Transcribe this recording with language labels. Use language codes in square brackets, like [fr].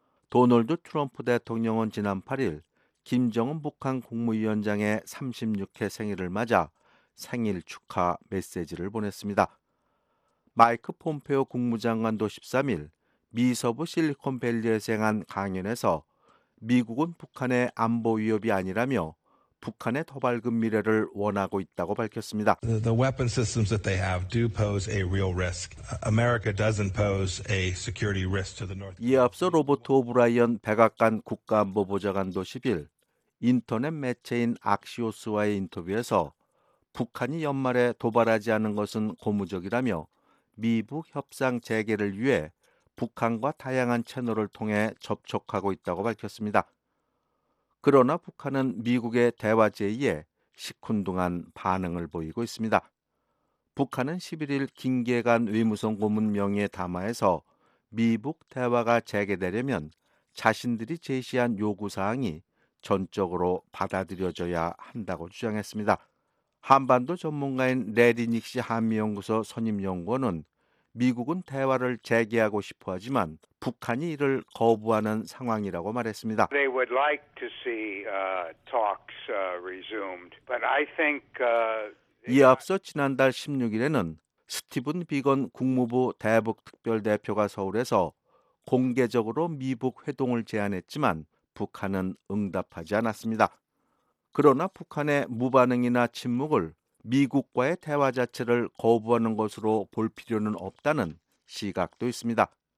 [ko] 도널드 트럼프 대통령은 지난 8일 김정은 북한 국무위원장의 36회 생일을 맞아 생일 축하 메시지를 보냈습니다. 마이크 폼페오 국무장관도 13일 미 서부 실리콘밸리에서 한 강연에서 미국은 북한의 안보 위협이 아니라며 북한의 더 밝은 미래를 원하고 있다고 밝혔습니다. [en] The weapon systems that they have do pose a real risk. America doesn't pose a security risk to the North. [ko] 이에 앞서 로버트 오브라이언 백악관 국가안보보좌관도 10일 인터넷 매체인 악시오스와의 인터뷰에서 북한이 연말에 도발하지 않은 것은 고무적이라며 미북 협상 재개를 위해 북한과 다양한 채널을 통해 접촉하고 있다고 밝혔습니다. 그러나 북한은 미국의 대화 제의에 시큰둥한 반응을 보이고 있습니다. 북한은 11일 김계관 외무성 고문 명의의 담화에서 미북 대화가 재개되려면 자신들이 제시한 요구사항이 전적으로 받아들여져야 한다고 주장했습니다. 한반도 전문가인 레리 닉시 한미연구소 선임연구원은 미국은 대화를 재개하고 싶어 하지만 북한이 이를 거부하는 상황이라고 말했습니다. [en] They would like to see talks resumed. But I think [ko] 이에 앞서 지난달 16일에는 스티븐 비건 국무부 대북특별대표가 서울에서 공개적으로 미북 회동을 제안했지만 북한은 응답하지 않았습니다. 그러나 북한의 무반응이나 침묵을 미국과의 대화 자체를 거부하는 것으로 볼 필요는 없다는 시각도 있습니다.